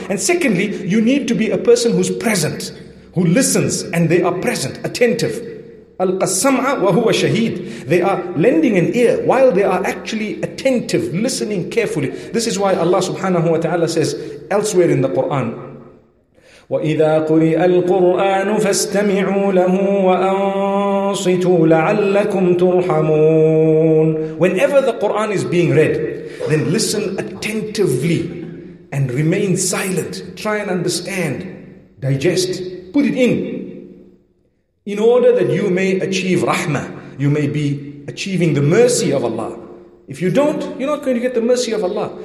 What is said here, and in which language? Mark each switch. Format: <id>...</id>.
<en>And secondly, you need to be a person who's present, who listens, and they are present, attentive.</en> <ar>Alqa as-sam'a wa huwa shahid.</ar> <en>They are lending an ear while they are actually attentive, listening carefully. This is why Allah subhanahu wa ta'ala says elsewhere in the Quran,</en> <ar>وإذا قرئ القرآن فاستمعوا له وأنصتوا لعلكم ترحمون.</ar> <en>Whenever the Quran is being read, then listen attentively and remain silent. Try and understand, digest, put it in order that you may achieve rahmah. You may be achieving the mercy of Allah. If you don't, you're not going to get the mercy of Allah.</en>